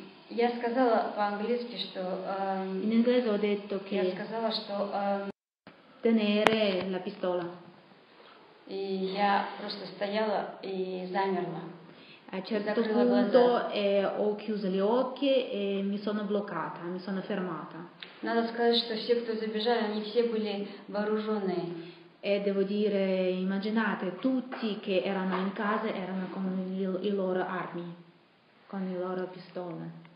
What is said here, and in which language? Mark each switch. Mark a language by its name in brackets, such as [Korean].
[Russian] Я сказала по-английски, что [Italian] in inglese ho detto che [Russian] я сказала, что [Italian] tenere la pistola. [Russian] И я просто стояла и замерла. [Italian] A certo punto ho chiuso gli occhi e mi sono bloccata, mi sono fermata. [Russian] Надо сказать, что все, кто забежали, они все были вооружены. [Italian] E devo dire, immaginate, tutti che erano in casa erano con i loro armi, con le loro pistole.